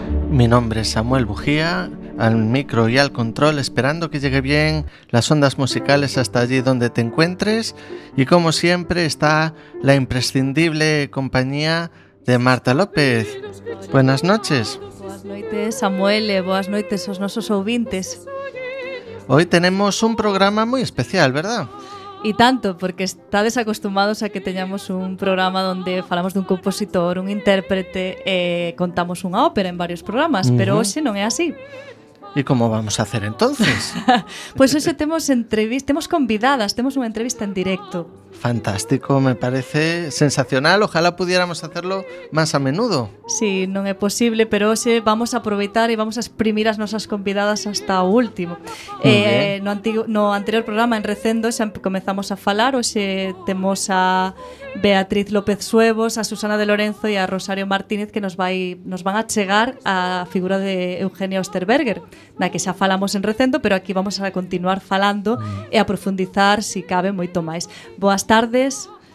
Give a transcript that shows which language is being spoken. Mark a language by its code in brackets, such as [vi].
[es] Mi nombre es Samuel Bujía, al micro y al control, esperando que llegue bien las ondas musicales hasta allí donde te encuentres. Y como siempre está la imprescindible compañía de Marta López. Buenas noches. Buenas noches, Samuel. Buenas noches, [gl] os nosos ouvintes. [es] Hoy tenemos un programa muy especial, ¿verdad? [gl] Y tanto, porque estades acostumbrados a que teñamos un programa donde falamos dun compositor, un intérprete, contamos unha ópera en varios programas, pero hoxe non é así. [es] ¿Y cómo vamos a hacer entonces? [gl] Pues hoxe temos convidadas, temos unha entrevista en directo. [es] Fantástico, me parece sensacional, ojalá pudiéramos hacerlo más a menudo. [gl] Sí, non é posible, pero hoxe vamos a aproveitar e vamos a exprimir as nosas convidadas hasta o último. No anterior programa, en Recendo, xa comezamos a falar, hoxe temos a Beatriz López Suevos, a Susana de Lorenzo e a Rosario Martínez, que nos van a chegar a figura de Eugenia Osterberger, na que xa falamos en Recendo, pero aquí vamos a continuar falando e a profundizar, si cabe, moito máis. Boas tardes.